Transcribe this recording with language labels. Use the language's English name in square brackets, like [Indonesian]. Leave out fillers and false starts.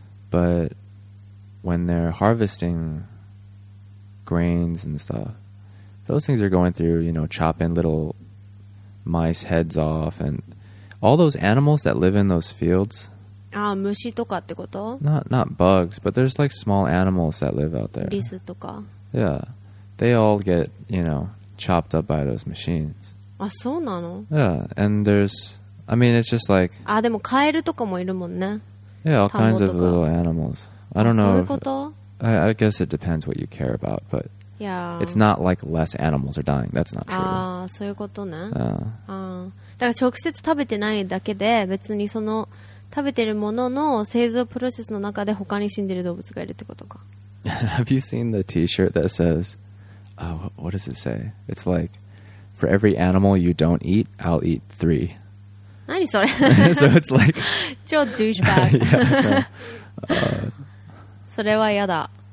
[English] But when they're harvesting grains and stuff, those things are going through, you know, chopping little mice heads off and all those animals that live in those fields. Not bugs, but there's like small animals that live out there. [Japanese] Lisu とか。 [English] Yeah, they all get, you know, chopped up by those machines. [Japanese] Ah, so なの? [English] Yeah, and there's, I mean, it's just like... Ah, [Japanese] でもカエルとかもいるもんね。 [English] Yeah, all kinds of little animals. I don't know [Japanese] そういうこと? [English] I guess it depends what you care about, but... Yeah. It's not like less animals are dying. That's not true. Ah, [Japanese] そういうことね。 [English] Yeah. Ah. [Japanese] だから直接食べてないだけで、別にその食べてるものの製造プロセスの中で他に死んでる動物がいるってことか。 [English] Have you seen the t-shirt that says, what does it say? It's like, for every animal you don't eat, I'll eat three. [Japanese] 何それ? [English] So it's like... [Japanese] 超 [English] douchebag. Yeah, [Japanese] それは嫌だ.